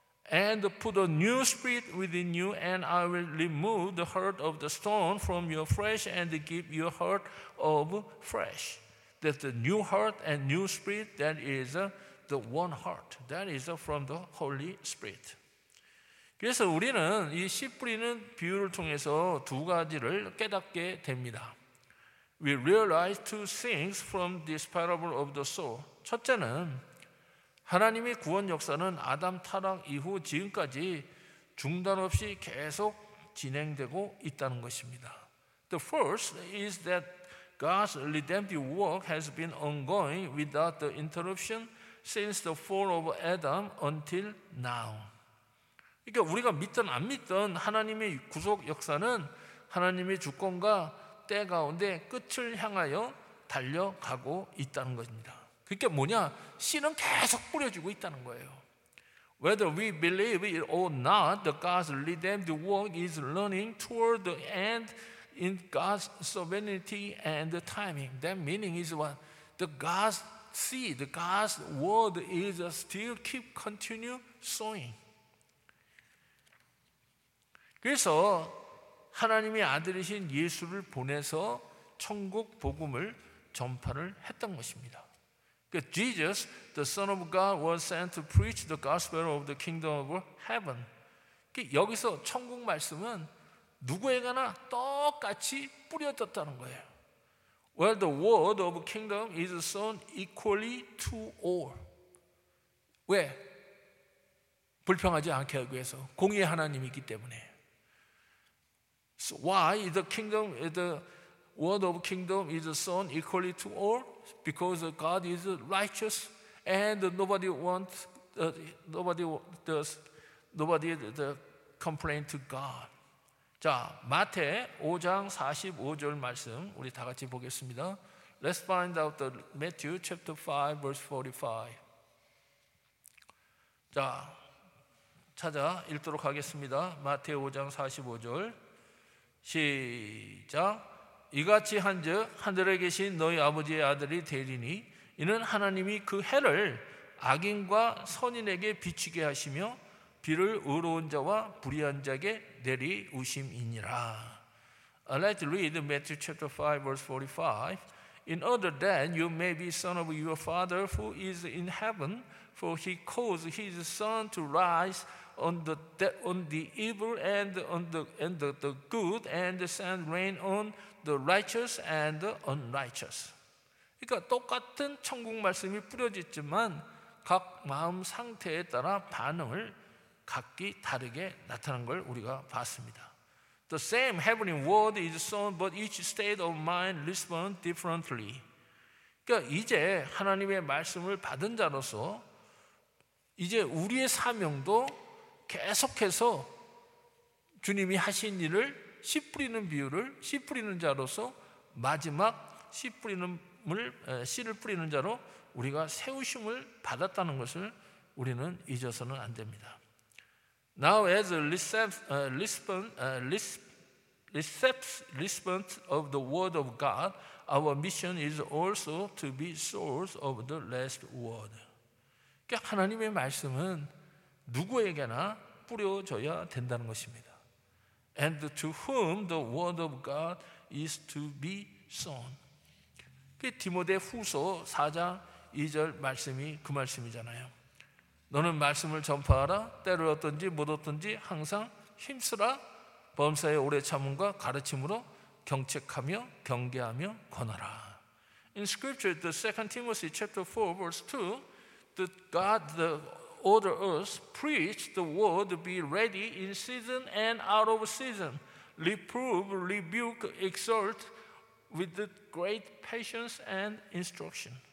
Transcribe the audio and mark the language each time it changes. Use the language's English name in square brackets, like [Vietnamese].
[English] and put a new spirit within you, and I will remove the heart of the stone from your flesh and give you a heart of flesh. That the new heart and new spirit, that is the one heart. That is from the Holy Spirit. [Korean] 그래서 우리는 이 씨 뿌리는 비유를 통해서 두 가지를 깨닫게 됩니다. [English] We realize two things from this parable of the sower. [Korean] 첫째는 하나님의 구원 역사는 아담 타락 이후 지금까지 중단 없이 계속 진행되고 있다는 것입니다. [English] The first is that God's redemptive work has been ongoing without the interruption since the fall of Adam until now. [Korean] 그러니까 우리가 믿든 안 믿든 하나님의 구속 역사는 하나님의 주권과 때 가운데 끝을 향하여 달려가고 있다는 것입니다. 그게 뭐냐? 씨는 계속 뿌려지고 있다는 거예요. [English] Whether we believe it or not, the God's redemptive work is running toward the end in God's sovereignty and the timing. That meaning is what? The God's seed, the God's word is still keep continue sowing. [Korean] 그래서 하나님의 아들이신 예수를 보내서 천국 복음을 전파를 했던 것입니다. [English] Jesus, the Son of God, was sent to preach the gospel of the kingdom of heaven. [Korean] 여기서 천국 말씀은 누구에게나 똑같이 뿌려졌다는 거예요. [English] Well, the word of kingdom is sown equally to all. [Korean] 왜? 불평하지 않게 하기 위해서. 공의 하나님이기 때문에. [English] So why the kingdom, the word of kingdom is sown equally to all? Because God is righteous, and nobody wants, nobody does, nobody the complain to God. [Korean] 자, 마태 5장 45절 말씀 우리 다 같이 보겠습니다. [English] Let's find out the Matthew chapter 5 verse 45. [Korean] 자, 찾아 읽도록 하겠습니다. 마태 5장 45절. 시작. 이같이 한즉 하늘에 계신 너희 아버지의 아들이 되리니 이는 하나님이 그 해를 악인과 선인에게 비추게 하시며 비를 의로운 자와 불의한 자에게 내리우심이니라. [English] Let's read Matthew chapter 5 verse 45. In order that you may be son of your father who is in heaven, for he caused his son to rise on the evil and the good and send rain on the righteous and the unrighteous. [Korean] 그러니까 똑같은 천국 말씀이 뿌려졌지만 각 마음 상태에 따라 반응을 각기 다르게 나타난 걸 우리가 봤습니다. [English] The same heavenly word is sown, but each state of mind responds differently. [Korean] 그러니까 이제 하나님의 말씀을 받은 자로서 이제 우리의 사명도 계속해서 주님이 하신 일을 씨 뿌리는 비유를 씨 뿌리는 자로서 마지막 씨를 뿌리는 자로 우리가 세우심을 받았다는 것을 우리는 잊어서는 안 됩니다. [English] Now as a recipient of the word of God, our mission is also to be souls of the last word. [Korean] 그러니까 하나님의 말씀은 누구에게나 뿌려져야 된다는 것입니다. [English] And to whom the word of God is to be sown. [Korean] 디모데 후서 4장 2절 말씀이 그 말씀이잖아요. 너는 말씀을 전파하라. 때를 얻든지 못 얻든지 항상 힘쓰라. 범사에 오래 참음과 가르침으로 경책하며 경계하며 권하라. [English] In scripture, the 2 Timothy chapter 4 verse 2, order us, preach the word, be ready in season and out of season. Reprove, rebuke, exhort with great patience and instruction.